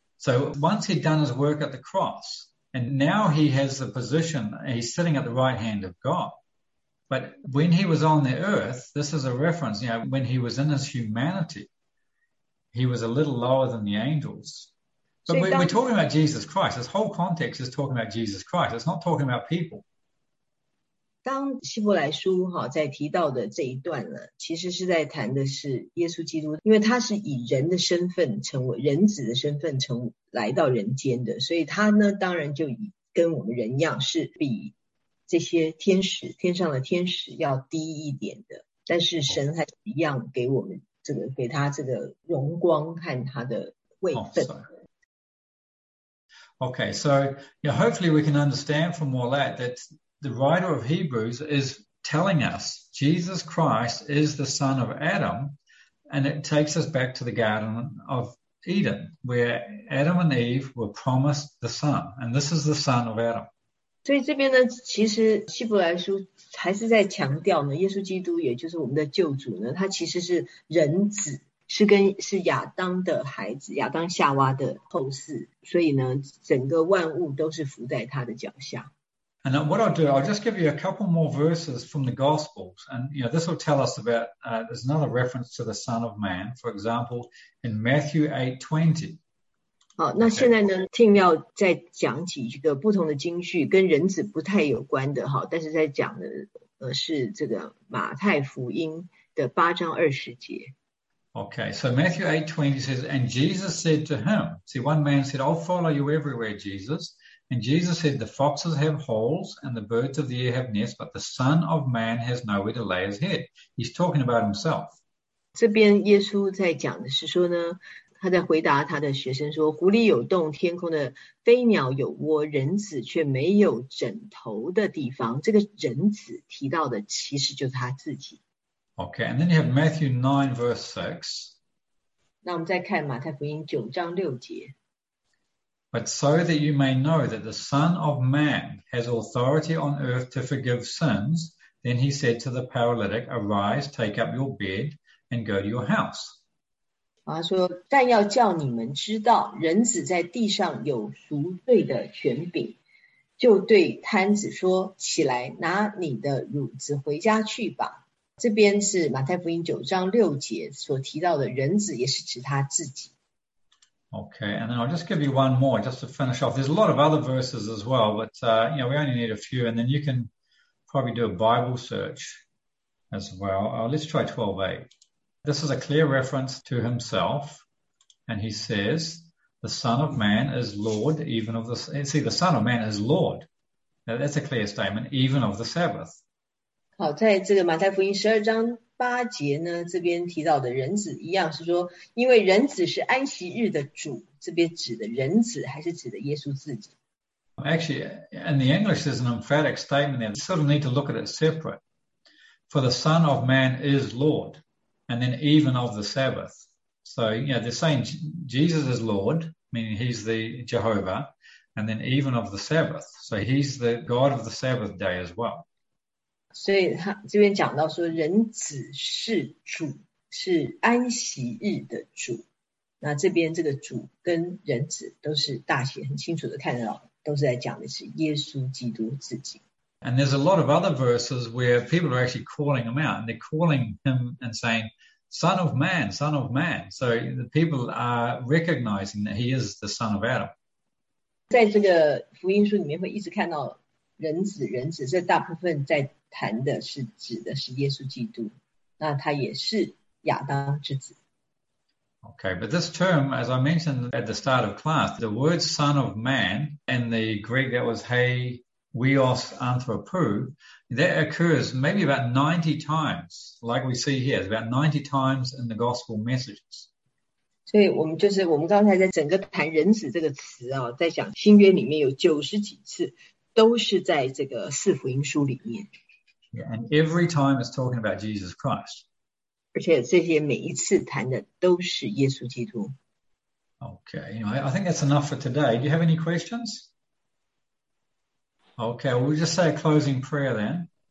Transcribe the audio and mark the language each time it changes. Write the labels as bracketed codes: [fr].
[en] So once he'd done his work at the cross, and now he has the position, he's sitting at the right hand of God. But when he was on the earth, this is a reference, you know, when he was in his humanity, he was a little lower than the angels. But we're talking about Jesus Christ. This whole context is talking about Jesus Christ. It's not talking about people. [zh] 当希伯来书在提到的这一段呢，其实是在谈的是耶稣基督，因为他是以人的身份成为人子的身份成来到人间的，所以他呢当然就以跟我们人一样是比这些天使天上的天使要低一点的，但是神还是一样给我们这个给他这个荣光和他的位分。 [en] Okay, so yeah, hopefully we can understand from all that that the writer of Hebrews is telling us Jesus Christ is the son of Adam, and it takes us back to the Garden of Eden, where Adam and Eve were promised the son, and this is the son of Adam. [zh] 所以这边呢，其实希伯来书还是在强调呢，耶稣基督也就是我们的救主呢，他其实是人子，是跟是亚当的孩子，亚当夏娃的后嗣，所以呢，整个万物都是伏在他的脚下。 [en] And what I'll do, I'll just give you a couple more verses from the Gospels. And, you know, this will tell us about, there's another reference to the Son of Man, for example, in Matthew 8:20. [zh] 好，那现在呢 Tim 要再讲几个不同的经序跟人子不太有关的，但是在讲的是这个马太福音的八章二十节。 [en] Okay, so Matthew 8:20 says, and Jesus said to him, see, one man said, I'll follow you everywhere, Jesus. And Jesus said, the foxes have holes and the birds of the air have nests, but the Son of Man has nowhere to lay his head. He's talking about himself. [zh] 这边耶稣在讲的是说呢，他在回答他的学生说，狐狸有洞，天空的飞鸟有窝，人子却没有枕头的地方。这个人子提到的其实就是他自己。 [en] Okay, and then you have Matthew 9, verse 6. [zh] 那我们再看马太福音九章六节。 [en] But so that you may know that the Son of Man has authority on earth to forgive sins, then he said to the paralytic, arise, take up your bed, and go to your house. [zh] 他说，但要叫你们知道，人子在地上有赎罪的权柄。就对瘫子说，起来，拿你的褥子回家去吧。这边是马太福音九章六节所提到的人子，也是指他自己。 [en] Okay, and then I'll just give you one more just to finish off. There's a lot of other verses as well, but you know, we only need a few, and then you can probably do a Bible search as well. Let's try 12:8. This is a clear reference to himself, and he says, the Son of Man is Lord, even of the... See, the Son of Man is Lord. Now, that's a clear statement, even of the Sabbath. [zh] 好，在这个马太福音十二章八节呢，这边提到的人子一样是说，因为人子是安息日的主，这边指的人子还是指的耶稣自己。 [en] Actually, in the English, there's an emphatic statement there. You sort of need to look at it separate. For the Son of Man is Lord, and then even of the Sabbath. So, you know, they're saying Jesus is Lord, meaning he's the Jehovah, and then even of the Sabbath. So he's the God of the Sabbath day as well. [zh] 所以他这边讲到说人子是主，是安息日的主。那这边这个主跟人子都是大写很清楚的看到，都是在讲的是耶稣基督自己。 [en] And there's a lot of other verses where people are actually calling him out, and they're calling him and saying, Son of man, son of man. So the people are recognizing that he is the son of Adam. [zh] 在这个福音书里面会一直看到人子，人子，这大部分在谈的是指的是耶稣基督，那他也是亚当之子。 [en] Okay, but this term, as I mentioned at the start of class, the word son of man in the Greek that was hei, weos, anthropou, that occurs maybe about 90 times, like we see here, about 90 times in the gospel messages. [zh] 所以我们就是我们刚才在整个谈人子这个词啊，在讲新约里面有九十几次，都是在这个四福音书里面。 [en] Yeah, and every time it's talking about Jesus Christ. [zh] 而且这些每一次谈的都是耶稣基督。 [en] Okay, anyway, I think that's enough for today. Do you have any questions? Okay, we'll just say a closing prayer then.